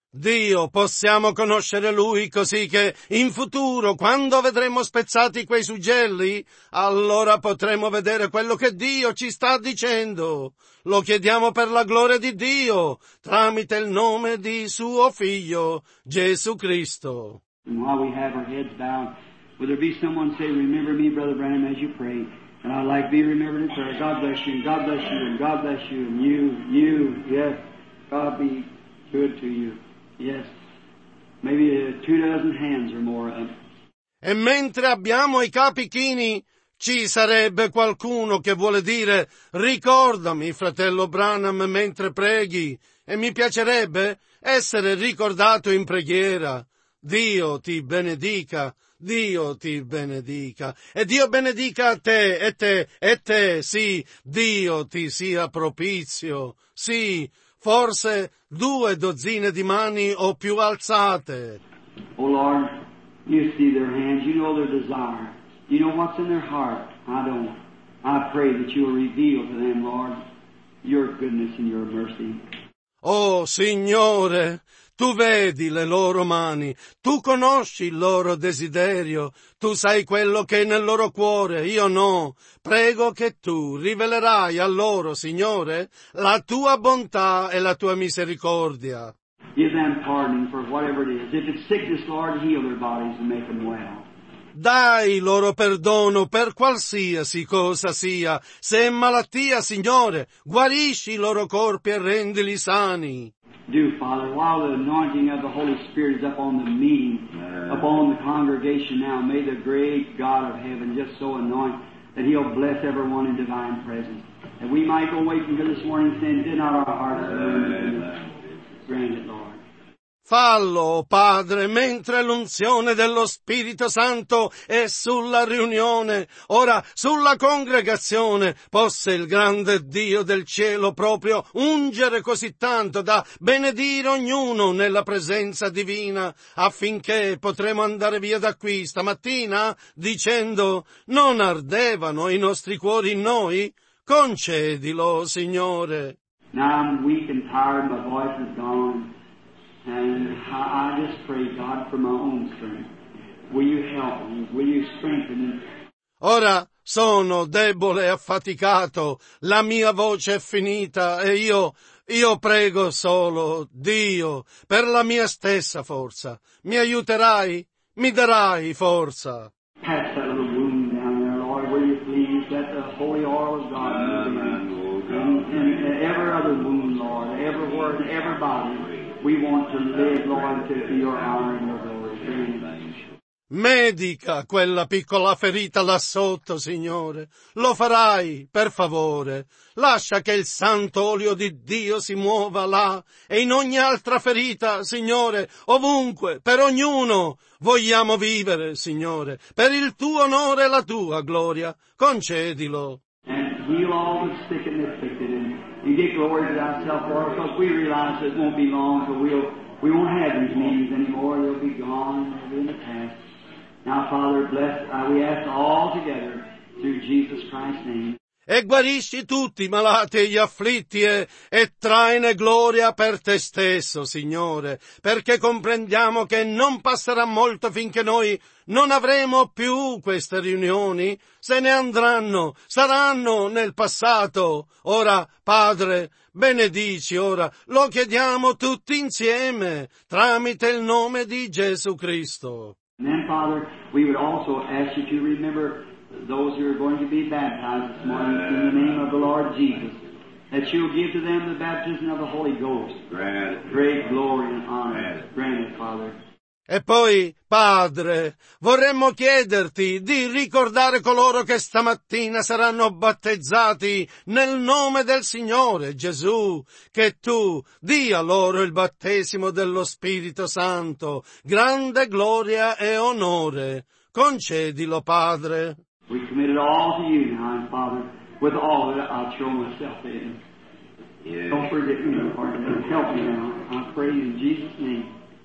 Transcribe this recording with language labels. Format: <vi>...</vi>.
<it>Dio, possiamo conoscere Lui così che in futuro, quando vedremo spezzati quei suggelli, allora potremo vedere quello che Dio ci sta dicendo. Lo chiediamo per la gloria di Dio, tramite il nome di Suo Figlio, Gesù Cristo.</it> <en>And while we have our heads bowed, will there be someone say, remember me, Brother Branham, as you pray? And I'd like to be remembered in prayer. God bless you, and God bless you, and God bless you, and you, yes. God be good to you. Yes. Maybe 2 dozen hands or more.</en> <it>E mentre abbiamo i capi chini, ci sarebbe qualcuno che vuole dire, ricordami, fratello Branham, mentre preghi, e mi piacerebbe essere ricordato in preghiera. Dio ti benedica. Dio ti benedica, e Dio benedica te, e te, e te, sì, Dio ti sia propizio, sì, forse 2 dozzine di mani o più alzate.</it> <en>Oh Lord, you see their hands, you know their desire, you know what's in their heart, I don't, I pray that you will reveal to them, Lord, your goodness and your mercy.</en> <it>Oh Signore, Tu vedi le loro mani, Tu conosci il loro desiderio, Tu sai quello che è nel loro cuore, io no. Prego che Tu rivelerai a loro, Signore, la Tua bontà e la Tua misericordia.</it> <en>Give them pardon for whatever it is. If it's sickness, Lord, heal their bodies and make them well.</en> <it>Dai loro perdono per qualsiasi cosa sia. Se è malattia, Signore, guarisci i loro corpi e rendili sani.</it> <en>Do, Father, while the anointing of the Holy Spirit is up on the meeting, upon the congregation now, may the great God of heaven just so anoint that He'll bless everyone in divine presence. And we might go away from here this morning saying, did not our hearts burn? Grant it, Lord.</en> <it>Fallo, Padre, mentre l'unzione dello Spirito Santo è sulla riunione, ora sulla congregazione, possa il grande Dio del cielo proprio ungere così tanto da benedire ognuno nella presenza divina, affinché potremo andare via da qui stamattina dicendo, non ardevano i nostri cuori in noi? Concedilo, Signore.</it> <en>Now I'm weak and tired, my voice is gone. And I just pray, God, for my own strength. Will you help me? Will you strengthen me?</en> <it>Ora sono debole e affaticato. La mia voce è finita e io prego solo, Dio, per la mia stessa forza. Mi aiuterai? Mi darai forza?</it> <en>Pass that little wound down there, Lord. Will you please let the holy oil of God move in? And every other wound, Lord, every word, every body. We want to live, Lord, to be your honor and your glory.</en> <it>Medica quella piccola ferita là sotto, Signore. Lo farai, per favore. Lascia che il santo olio di Dio si muova là e in ogni altra ferita, Signore, ovunque, per ognuno, vogliamo vivere, Signore, per il tuo onore e la tua gloria. Concedilo.</it> <en>And heal all the sick and afflicted in you. And get glory to thyself, Lord, because we realize it won't be long, so we won't have these meetings anymore. They'll be gone, they'll be in the past. Now, Father, bless, we ask all together through Jesus Christ's name.</en> <it>E guarisci tutti i malati e gli afflitti e traine gloria per te stesso, Signore, perché comprendiamo che non passerà molto finché noi non avremo più queste riunioni. Se ne andranno, saranno nel passato. Ora, Padre, benedici ora, lo chiediamo tutti insieme, tramite il nome di Gesù Cristo.</it> <en>And then, Father, we would also ask you to remember those who are going to be baptized this morning in the name of the Lord Jesus, that you'll give to them the baptism of the Holy Ghost. Granted. Great glory and honor. Granted, Father.</en> <it>E poi, Padre, vorremmo chiederti di ricordare coloro che stamattina saranno battezzati nel nome del Signore Gesù, che tu dia loro il battesimo dello Spirito Santo, grande gloria e onore. Concedilo, Padre.</it> <en>We commit it all to you now, Father, with all that I'll throw myself in. Yes. Don't forget me, Father. Help me now. I pray in Jesus' name.</en>